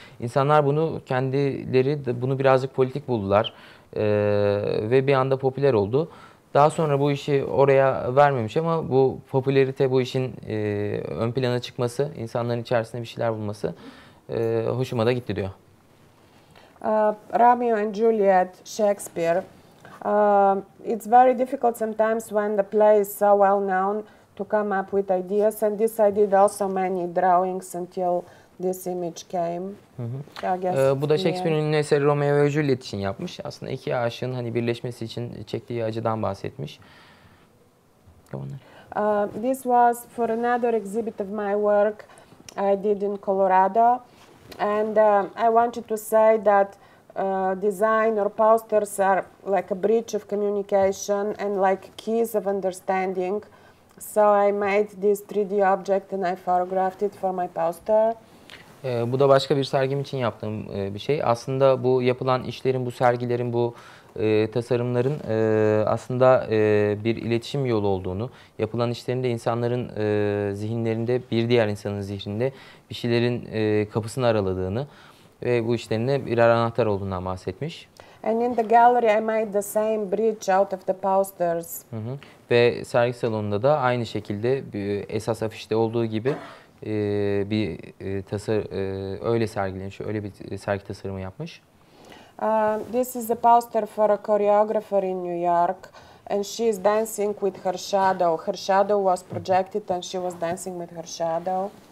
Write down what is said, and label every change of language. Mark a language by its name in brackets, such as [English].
[Turkish] İnsanlar bunu kendileri bunu birazcık politik buldular ve bir anda popüler oldu. Daha sonra bu işi oraya vermemiş ama bu popülerite bu işin ön plana çıkması, insanların içerisinde bir şeyler bulması hoşuma da gitti diyor. [English] Romeo and Juliet, Shakespeare. It's very difficult sometimes when the play is so well known to come up with ideas, and this I did also many drawings until this image came. Hı hı. [Turkish] Bu da Shakespeare'in ünlü eseri Romeo ve Juliet için yapmış. Aslında iki aşığın hani birleşmesi için çektiği acıdan bahsetmiş. [English] This was for another exhibit of my work I did in Colorado, and I wanted to say that design or posters are like a bridge of communication and like keys of understanding. So I made this 3D object and I photographed it for my poster. [Turkish] Bu da başka bir sergim için yaptığım bir şey. Aslında bu yapılan işlerin, bu sergilerin, bu tasarımların aslında bir iletişim yolu olduğunu, yapılan işlerin de insanların zihinlerinde, bir diğer insanın zihninde bir şeylerin kapısını araladığını ve bu işlerin de birer anahtar olduğundan bahsetmiş. [English] And in the gallery I made the same bridge out of the posters. Hı hı. [Turkish] Ve sergi salonunda da aynı şekilde esas afişte olduğu gibi bir öyle sergilenmiş, öyle bir sergi tasarımı yapmış. [English] This is a poster for a choreographer in New York, and she is dancing with her shadow. Her shadow was projected, and she was dancing with her shadow.